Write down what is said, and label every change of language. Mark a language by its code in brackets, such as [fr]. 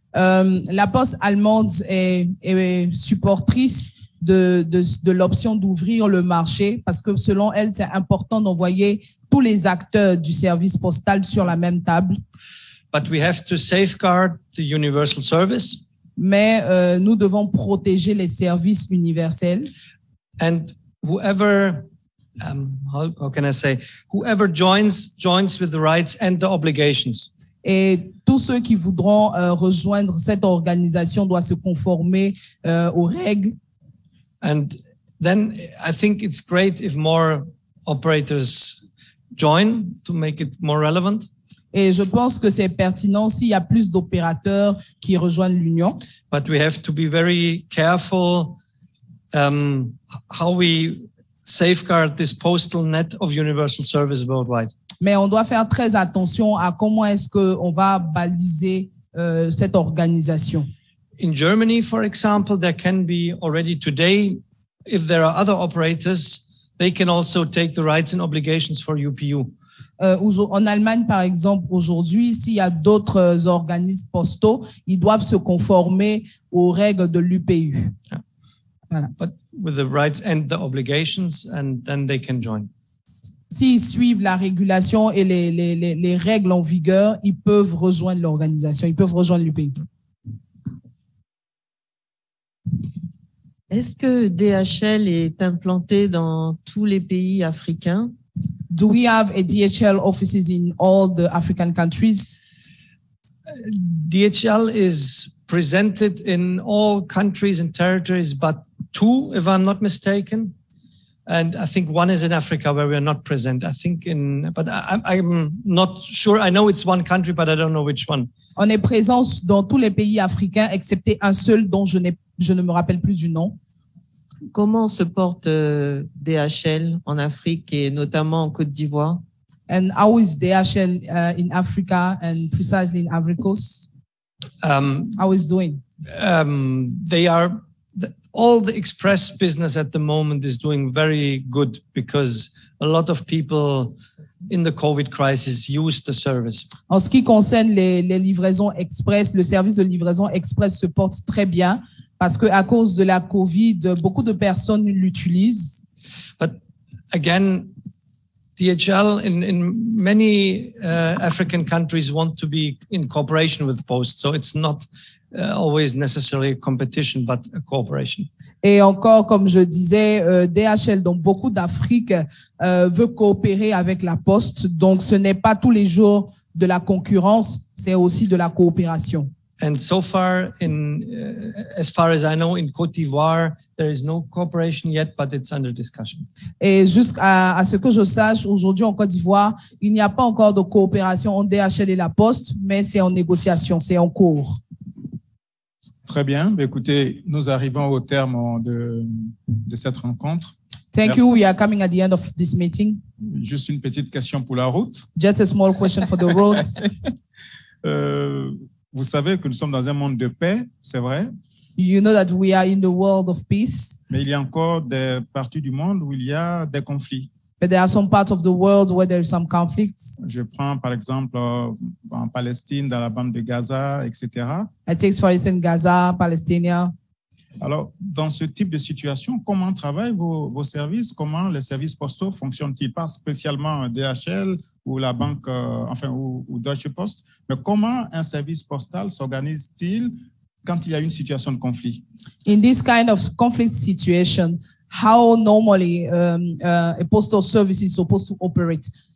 [fr] La Poste allemande est supportrice de l'option d'ouvrir le marché parce que selon elle, c'est important d'envoyer tous les acteurs du service postal sur la même table. [en] But we have to safeguard the universal service. [fr] Mais nous devons protéger les services universels. [en] And whoever, how can I say, whoever joins with the rights and the obligations. [fr] Et tous ceux qui voudront rejoindre cette organisation doivent se conformer aux règles. [en] And then I think it's great if more operators join to make it more relevant. [fr] Et je pense que c'est pertinent s'il y a plus d'opérateurs qui rejoignent l'union. [en] But we have to be very careful how we safeguard this postal net of universal service worldwide. [fr] Mais on doit faire très attention à comment est-ce que on va baliser cette organisation. [en] In Germany, for example, there can be already today, if there are other operators, they can also take the rights and obligations for UPU. [fr] En Allemagne, par exemple, aujourd'hui, s'il y a d'autres organismes postaux, ils doivent se conformer aux règles de l'UPU. Yeah. Voilà. [en] But with the rights and the obligations, and then they can join. [fr] S'ils suivent la régulation et les règles en vigueur, ils peuvent rejoindre l'organisation, ils peuvent rejoindre l'UPU. Est-ce que DHL est implanté dans tous les pays africains? [en] Do we have a DHL offices in all the African countries? DHL is presented in all countries and territories, but two, if I'm not mistaken. And I think one is in Africa where we are not present. I think but I'm not sure. I know it's one country, but I don't know which one. [fr] On est présent dans tous les pays africains, excepté un seul dont je ne me rappelle plus du nom. Comment se porte DHL en Afrique et notamment en Côte d'Ivoire? [en] And how is DHL in Africa and precisely in Ivory Coast? How is doing? They are all the express business at the moment is doing very good because a lot of people in the COVID crisis used the service. [fr] En ce qui concerne les livraisons express, le service de livraison express se porte très bien. Parce qu'à cause de la COVID, beaucoup de personnes l'utilisent. [en] But again, DHL in many African countries want to be in cooperation with Post. So it's not always necessarily a competition, but a cooperation. [fr] Et encore, comme je disais, DHL, dont beaucoup d'Afrique, veut coopérer avec la Poste. Donc ce n'est pas tous les jours de la concurrence, c'est aussi de la coopération. [en] And so far, as far as I know, in Côte d'Ivoire, there is no cooperation yet, but it's under discussion. [fr] Et jusqu'à ce que je sache, aujourd'hui en Côte d'Ivoire, il n'y a pas encore de coopération entre DHL et la Poste, mais c'est en négociation, c'est en cours. Très bien. Écoutez, nous arrivons au terme de cette rencontre. [en] Thank [fr] Merci. [en] You. We are coming at the end of this meeting. [fr] Juste une petite question pour la route. [en] Just a small question for the road. [fr] Vous savez que nous sommes dans un monde de paix, c'est vrai. [en] You know that we are in the world of peace. [fr] Mais il y a encore des parties du monde où il y a des conflits. [en] But there are some parts of the world where there are some conflicts. [fr] Je prends par exemple en Palestine, dans la bande de Gaza, etc. [en] I take for instance Gaza, Palestine. [fr] Alors, dans ce type de situation, comment travaillent vos services? Comment les services postaux fonctionnent-ils? Pas spécialement DHL ou la banque, ou Deutsche Post, mais comment un service postal s'organise-t-il quand il y a une situation de conflit? [en] In this kind of conflict situation, how normally a postal service is supposed to operate?